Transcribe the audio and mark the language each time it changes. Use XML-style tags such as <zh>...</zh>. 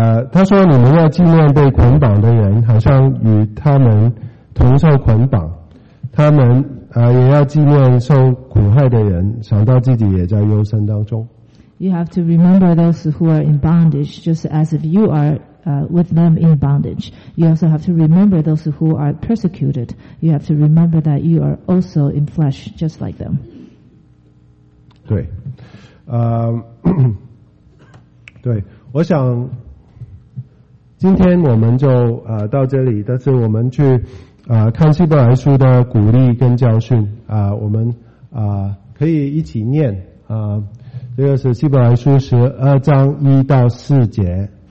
<zh>他说你们要纪念被捆绑的人，好像与他们同受捆绑，他们也要纪念受苦害的人，想到自己也在忧伤当中。</zh> <en>You have to remember those who are in bondage just as if you are with them in bondage. You also have to remember those who are persecuted. You have to remember that you are also in flesh just like them.</en> <zh>对对，我想今天我们就到这里，但是我们去看希伯来书的鼓励跟教训我们可以一起念这个是希伯来书十二章一到四节。</zh>